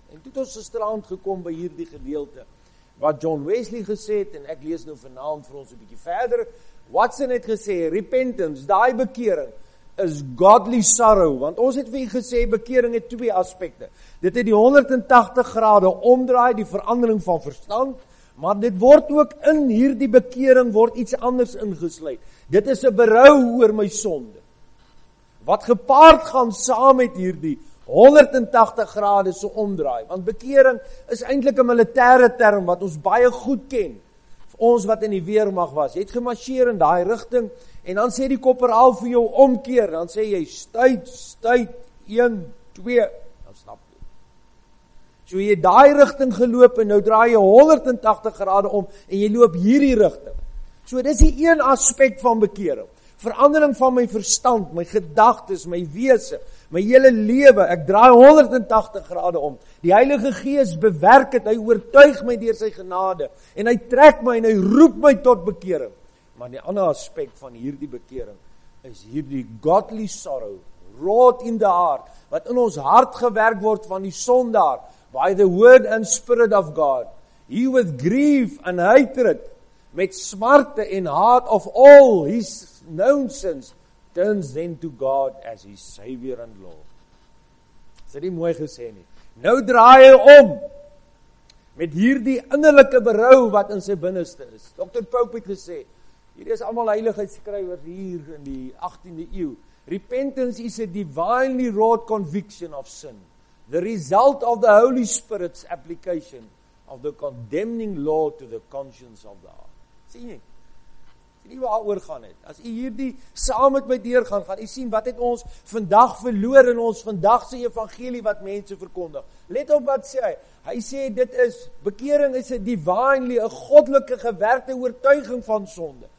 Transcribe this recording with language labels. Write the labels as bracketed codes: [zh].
[af] En toe het ons gisteraand gekom by hierdie gedeelte, wat John Wesley gesê het, en ek lees nou vanavond vir ons 'n bietjie verder, Watson het gesê, repentance, daai bekering, is [en] godly sorrow, [af] want ons het vir u gesê, bekering het twee aspekte. Dit het die 180 grade omdraai, die verandering van verstand, Maar dit word ook in hierdie bekering word iets anders ingesluit. Dit is 'n berou oor my sonde. Wat gepaard gaan saam met hierdie 180 grade se omdraai. Want bekering is eintlik 'n militêre term wat ons baie goed ken. Ons wat in die weermag was, jy het gemarsjeer in daai rigting en dan sê die korporaal vir jou omkeer, dan sê jy stuit 1 2 dan stap jy. So jy het daai rigting geloop en nou draai jy 180 grade om en jy loop hierdie rigting. So dis die een aspek van bekering. Verandering van my verstand, my gedagtes, my wese, my hele lewe. Ek draai 180 grade om. Die Heilige Gees bewerk het, hy oortuig my deur sy genade en hy trek my en hy roep my tot bekering. Maar die ander aspek van hierdie bekering is hierdie [en] godly sorrow, rot in the heart, [af] wat in ons hart gewerk word van die sondaar, [en] by the word and spirit of God. He with grief and hatred, [af] met smarte en haat [en] of all his nonsense, turns then to God as his Savior and Lord. [af] Is dit nie mooi gesê nie? Nou draai hy om met hierdie innerlijke berou wat in sy binneste is. Dr. Pope het gesê, hier is allemaal heiligheidsskrywers hier in die 18de eeuw. [en] Repentance is a divinely wrought conviction of sin, the result of the Holy Spirit's application of the condemning law to the conscience of the heart. [af] Sien jy? Nie waar oor gaan het. As jy hierdie saam met my deur gaan, gaan jy sien wat het ons vandag verloor in ons vandagse evangelie wat mense verkondig. Let op wat sê hy. Hy sê dit is, bekering is [en] a divinely, [af] a goddelike gewerkte oortuiging van sonde.